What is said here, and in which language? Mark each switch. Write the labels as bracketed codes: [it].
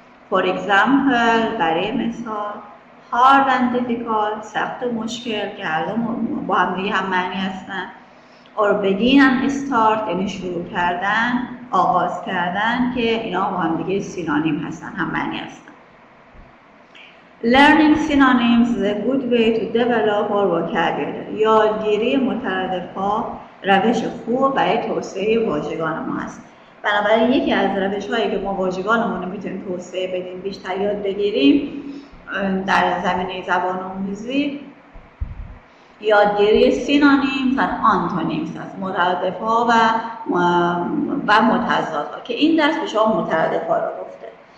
[en] For example، [fa] برای مثال، [en] hard and difficult، [fa] سخت و مشکل، که با هم دیگه هم معنی هستن. Or [en] begin and start، [fa] یعنی شروع کردن، آغاز کردن، که اینا با هم دیگه سینانیم هستن، هم معنی هستن. [en] Learning synonyms is a good way to develop our vocabulary. [fa] یادگیری مترادف ها روش خوب برای توسعه واژگان ما هست. بنابراین یکی از روش هایی که ما واژگانمون رو میتونیم توسعه بدیم، بیشتر یاد بگیریم در زمینه زبان آموزی، یادگیری سینانیمز و آنتونیمز هست، مترادف ها و متضاد ها، که این درس به شما مترادف ها رو گفته.